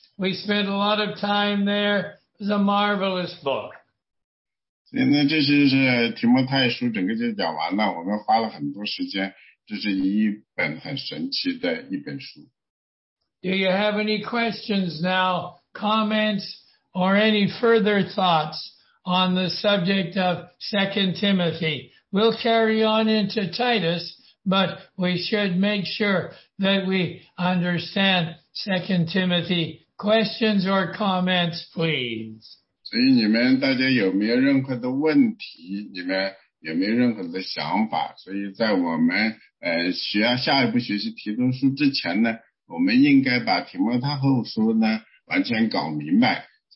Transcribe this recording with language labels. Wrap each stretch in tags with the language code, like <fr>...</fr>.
<en>We spent a lot of time there. It's a marvelous book.</en> <zh>现在这就是提摩太书整个就讲完了，我们花了很多时间，这是一本很神奇的一本书。</zh> <en>Do you have any questions now, comments? Or any further thoughts on the subject of 2 Timothy. We'll carry on into Titus, but we should make sure that we understand 2 Timothy. Questions or comments, please.</en> <zh>所以你们大家有没有任何的问题？你们有没有任何的想法？所以在我们学下一步学习提摩太后书呢，我们应该把提摩太后书呢完全搞明白。</zh>